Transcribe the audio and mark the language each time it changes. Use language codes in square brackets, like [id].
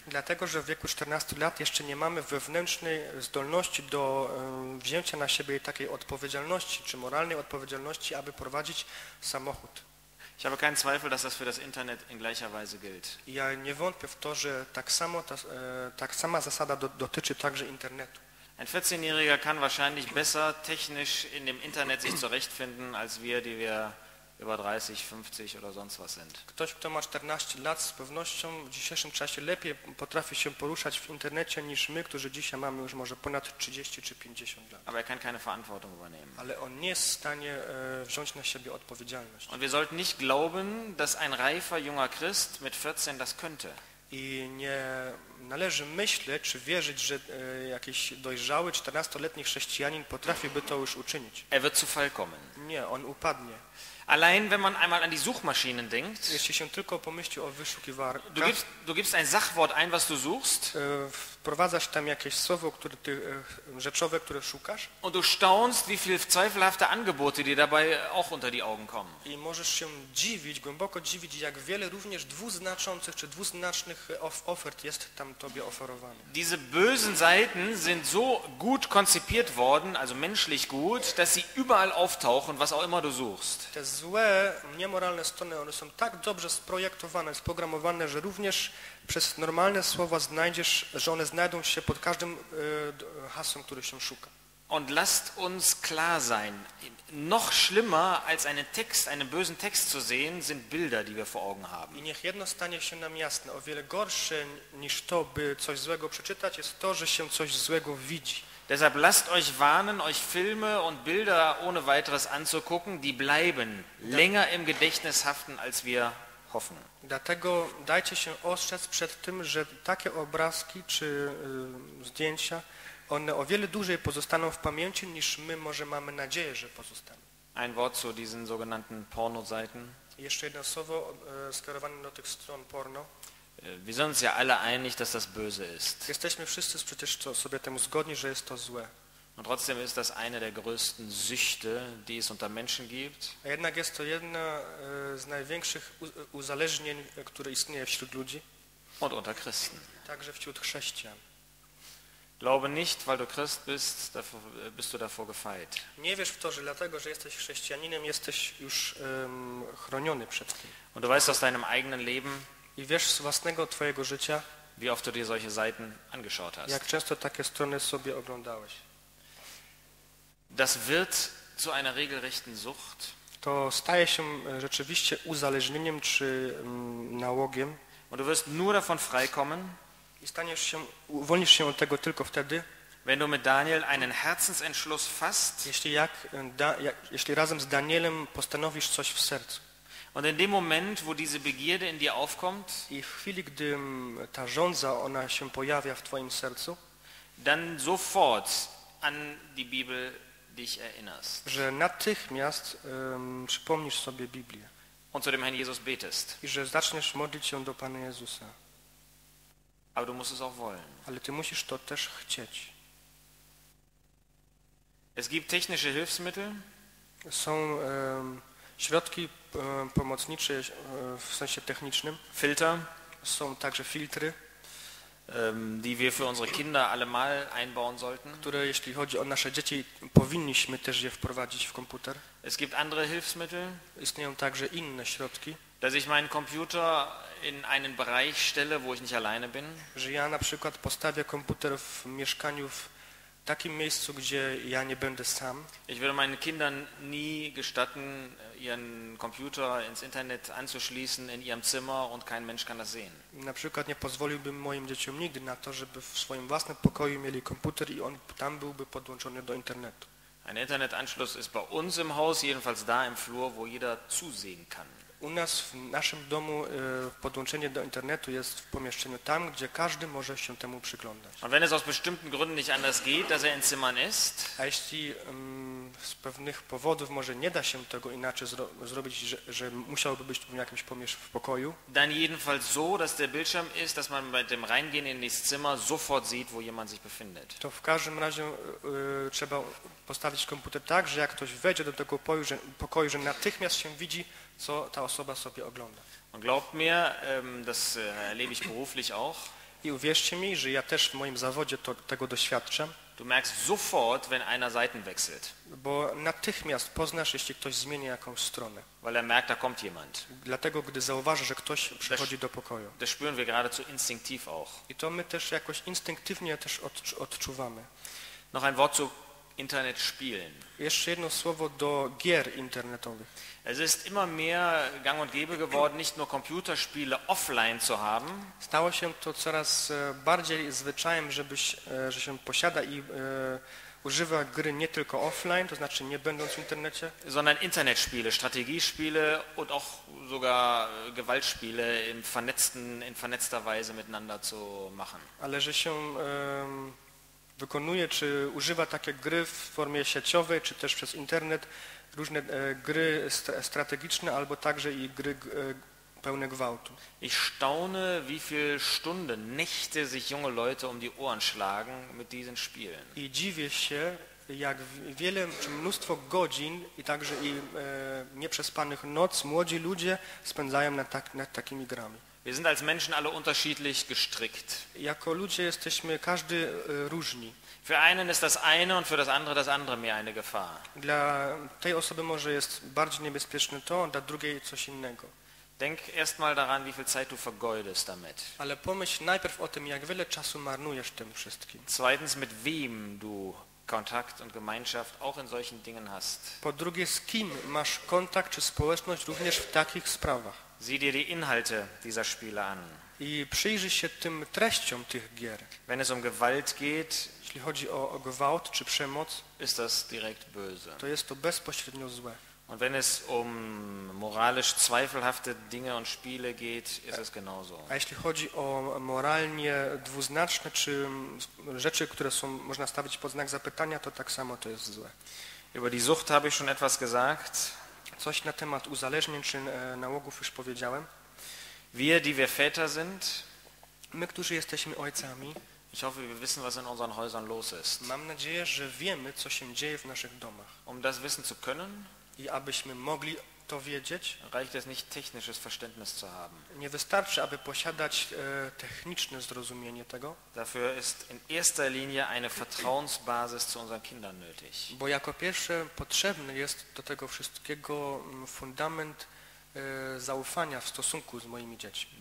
[pl] Dlatego, że w wieku 14 lat jeszcze nie mamy wewnętrznej zdolności do wzięcia na siebie takiej odpowiedzialności, czy moralnej odpowiedzialności, aby prowadzić samochód. [de] Ich habe keinen Zweifel, dass das für das Internet in gleicher Weise gilt. [pl] Ja nie wątpię w to, że tak samo tak sama zasada dotyczy także internetu. [de] Ein 14-Jähriger kann wahrscheinlich besser technisch in dem Internet sich zurechtfinden, als wir, die wir über 30, 50 oder sonst was sind. [pl] Ktoś, kto ma 14 lat, z pewnością w dzisiejszym czasie lepiej potrafi się poruszać w internecie niż my, którzy dzisiaj mamy już może ponad 30 czy 50 lat. [de] Aber er kann keine Verantwortung übernehmen. [pl] Ale on nie jest w stanie wziąć na siebie odpowiedzialność. [de] Und wir sollten nicht glauben, dass ein reifer junger Christ mit 14 das könnte. [pl] I nie należy myśleć czy wierzyć, że jakiś dojrzały 14-letni chrześcijanin potrafiłby to już uczynić. [de] Er wird zu Fall kommen. [pl] Nie, on upadnie. [de] Allein wenn man einmal an die Suchmaschinen denkt. [pl] Jeśli się tylko pomyśli o wyszukiwarkach. [de] Du gibst ein Sachwort ein, was du suchst. [pl] Wprowadzasz tam jakieś słowo, które ty, rzeczowe, które szukasz. [de] Und du staunst, wie viel zweifelhafte Angebote dir dabei auch unter die Augen kommen. [pl] I możesz się dziwić, głęboko dziwić, jak wiele również dwuznaczących czy dwuznacznych ofert jest tam tobie oferowane. [de] Diese bösen Seiten sind so gut konzipiert worden, also menschlich gut, dass sie überall auftauchen, was auch immer du suchst. [pl] Te złe, niemoralne strony, one są tak dobrze sprojektowane, sprogramowane, że również przez normalne słowa znajdziesz, że one znajdą się pod każdym hasłem, który się szuka. [de] Und lasst uns klar sein, noch schlimmer als einen Text, einen bösen Text zu sehen, sind Bilder, die wir vor Augen haben. [pl] I niech jedno stanie się nam jasne, o wiele gorsze niż to, by coś złego przeczytać, jest to, że się coś złego widzi. [de] Deshalb lasst euch warnen, euch Filme und Bilder ohne weiteres anzugucken, die bleiben länger im Gedächtnis haften, als wir hoffen. [pl] Dlatego dajcie się ostrzec przed tym, że takie obrazki czy zdjęcia, one o wiele dłużej pozostaną w pamięci, niż my może mamy nadzieję, że pozostaną. [de] Ein Wort zu diesen sogenannten Pornoseiten. [pl] Jeszcze jedno słowo skierowane do tych stron porno. [de] Wir sind uns ja alle einig, dass das böse ist. [pl] Jesteśmy wszyscy przecież sobie temu zgodni, że jest to złe. [de] Und trotzdem ist das eine der größten Süchte, die es unter Menschen gibt. [pl] A jednak jest to jedna z największych uzależnień, które istnieje wśród ludzi. [de] Und unter Christen. [pl] Także wśród chrześcijan. [de] Glaube nicht, weil du Christ bist, dafür bist du davor gefeit. [pl] Nie wierz w to, że dlatego, że jesteś chrześcijaninem, jesteś już chroniony przed tym. [de] Und du weißt aus deinem eigenen Leben, [pl] i wiesz z własnego twojego życia, [de] wie oft du dir solche Seiten angeschaut hast. [pl] Jak często takie strony sobie oglądałeś. [de] Das wird zu einer regelrechten Sucht. [pl] To staje się rzeczywiście uzależnieniem czy nałogiem. [de] Und du wirst nur davon freikommen, [pl] i staniesz się, uwolnisz się od tego tylko wtedy, [de] wenn du mit Daniel einen Herzensentschluss fasst, [pl] jeśli razem z Danielem postanowisz coś w sercu. [de] Und in dem Moment, wo diese Begierde in dir aufkommt, [pl] i w chwili, gdy ta żądza, ona się pojawia w twoim sercu, [de] dann sofort an die Bibel dich erinnerst. [pl] Że natychmiast przypomnisz sobie Biblię. [de] Und zu dem Herrn Jesus betest. [pl] I że zaczniesz modlić się do Pana Jezusa. [de] Aber du musst es auch wollen. [pl] Ale ty musisz to też chcieć. [de] Es gibt technische Hilfsmittel. [pl] Są środki pomocnicze w sensie technicznym. [de] Filter. [pl] Są także filtry. [de] Die wir für unsere Kinder allemal einbauen sollten. [pl] Które jeśli chodzi o nasze dzieci, powinniśmy też je wprowadzić w komputer. [de] Es gibt andere Hilfsmittel. [pl] Istnieją także inne środki. [de] Dass ich meinen Computer in einen Bereich stelle, wo ich nicht alleine bin. [pl] Że ja na przykład postawię komputer w mieszkaniu w takim miejscu, gdzie ja nie będę sam. [de] Ich würde meinen Kindern nie gestatten, ihren Computer ins Internet anzuschließen in ihrem Zimmer und kein Mensch kann das sehen. [pl] Na przykład nie pozwoliłbym moim dzieciom nigdy na to, żeby w swoim własnym pokoju mieli komputer i on tam byłby podłączony do internetu. [de] Ein Internetanschluss ist bei uns im Haus jedenfalls da im Flur, wo jeder zusehen kann. [pl] U nas w naszym domu podłączenie do internetu jest w pomieszczeniu tam, gdzie każdy może się temu przyglądać. [de] Und wenn es aus bestimmten Gründen nicht anders geht, dass er in Zimmern ist, [pl] a jeśli z pewnych powodów może nie da się tego inaczej zrobić, że musiałby być w jakimś pomieszczeniu w pokoju. [de] Dann jedenfalls so, dass der Bildschirm ist, dass man bei dem Reingehen in das Zimmer sofort sieht, wo jemand sich befindet. [pl] To w każdym razie trzeba postawić komputer tak, że jak ktoś wejdzie do tego pokoju, że natychmiast się widzi, co ta osoba sobie ogląda. [de] Und glaubt mir, das erlebe ich beruflich auch. [pl] I uwierzcie mi, że ja też w moim zawodzie tego doświadczę. [de] Du merkst sofort, wenn einer Seiten wechselt. [pl] Bo natychmiast poznasz, jeśli ktoś zmieni jakąś stronę. [de] Weil er merkt, da kommt jemand. [pl] Dlatego, gdy zauważy, że ktoś przychodzi do pokoju. [de] Das spüren wir geradezu instinktiv auch. [pl] I to my też jakoś instynktywnie też odczuwamy. [de] Noch ein Wort zu Internetspielen. [pl] Jeszcze jedno słowo do gier internetowych. [de] Es ist immer mehr gang und gäbe geworden, nicht nur Computerspiele offline zu haben. [pl] Stało się to coraz bardziej zwyczajem, że się posiada i używa gry nie tylko offline, to znaczy nie będąc w internecie. [de] Sondern Internetspiele, Strategiespiele und auch sogar Gewaltspiele in vernetzter Weise miteinander zu machen. [pl] Ale że się wykonuje, czy używa takie gry w formie sieciowej, czy też przez internet, różne gry strategiczne, albo także i gry pełne gwałtu. [de] Ich staune, wie viele Stunden, Nächte sich junge Leute um die Ohren schlagen mit diesen Spielen. [pl] I dziwię się, jak wiele, czy mnóstwo godzin i także i nieprzespanych noc młodzi ludzie spędzają nad takimi grami. [de] Wir sind als Menschen alle unterschiedlich gestrickt. [pl] Jako ludzie jesteśmy każdy różni. [de] Für einen ist das eine und für das andere mehr eine Gefahr. [pl] Dla tej osoby może jest bardziej niebezpieczne to, dla drugiej coś innego. [de] Denk erstmal daran, wie viel Zeit du vergeudest damit. [pl] Ale pomyśl najpierw o tym, jak wiele czasu marnujesz tym wszystkim. [de] Zweitens, mit wem du Kontakt und Gemeinschaft auch in solchen Dingen hast. [pl] Po drugie, z kim masz kontakt czy społeczność również w takich sprawach. [de] Sieh dir die Inhalte dieser Spiele an. [pl] I przyjrzyj się tym treściom tych gier. [de] Wenn es um Gewalt geht, [pl] jeśli chodzi o gewalt czy przemoc, [de] ist das direkt böse. [pl] To jest to bezpośrednio złe. [de] Und wenn es um moralisch zweifelhafte Dinge und Spiele geht, ist es genauso. [pl] A jeśli chodzi o moralnie dwuznaczne czy rzeczy, które są można stawić pod znak zapytania, to tak samo to jest złe. [de] Über die Sucht habe ich schon etwas gesagt. [pl] Coś na temat uzależnień czy nałogów już powiedziałem. [de] Wir, die wir Väter sind, [pl] my, którzy jesteśmy ojcami, [de] ich hoffe, wir wissen, was in unseren Häusern los ist. [pl] Mam nadzieję, że wiemy, co się dzieje w naszych domach. [de] Um das wissen zu können, [pl] i abyśmy mogli to wiedzieć, [de] reicht es nicht, technisches Verständnis zu haben. [pl] Nie wystarczy, aby posiadać techniczne zrozumienie tego. [de] Dafür ist in erster Linie eine Vertrauensbasis zu unseren Kindern nötig. [pl] Bo jako pierwsze potrzebny jest do tego wszystkiego fundament zaufania w stosunku z moimi dziećmi.